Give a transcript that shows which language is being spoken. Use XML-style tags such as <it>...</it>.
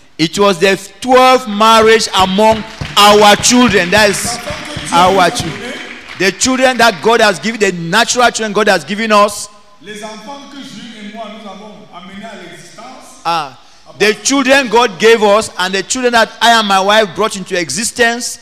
<en>It was the 12th marriage among our children. That is our children. The children that God has given, the natural children God has given us.</en> <fr>Les enfants que Jules et moi nous avons amenés à l'existence.</fr> <en>The children God gave us and the children that I and my wife brought into existence.</en>